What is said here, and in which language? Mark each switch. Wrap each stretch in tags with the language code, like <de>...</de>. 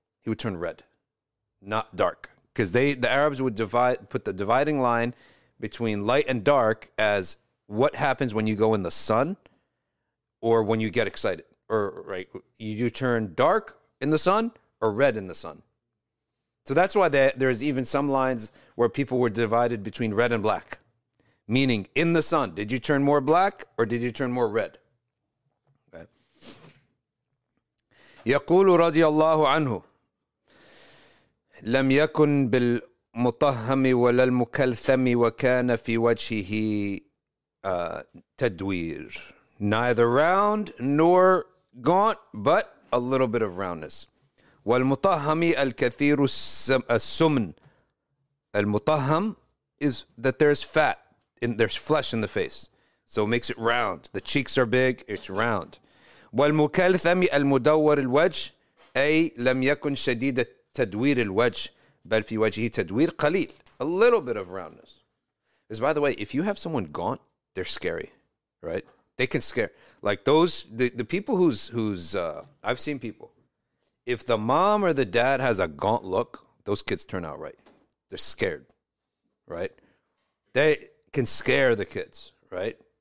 <en>he would turn red, not dark. Because the Arabs would put the dividing line between light and dark as what happens when you go in the sun or when you get excited. You turn dark in the sun or red in the sun. So that's why there's even some lines where people were divided between red and black. Meaning, in the sun, did you turn more black or did you turn more red?</en> <ar>يقول رضي الله عنه لم يكن بالمطهم ولا المكلثم وكان في وجهه تدوير.</ar> <en>Neither round nor gaunt, but a little bit of roundness.</en> <ar>والمطهم الكثير السمن.</ar> <en>المطهم is that there's fat, and there's flesh in the face. So it makes it round. The cheeks are big, it's round.</en> <ar>والمكلثم المدور الوجه أي لم يكن شديد تدوير الوجه بل في وجهه تدوير قليل.</ar> <en>A little bit of roundness. Because by the way, if you have someone gaunt, they're scary, right? They can scare. Like those, the people I've seen people. If the mom or the dad has a gaunt look, those kids turn out right. They're scared, right? They can scare the kids, right?</en>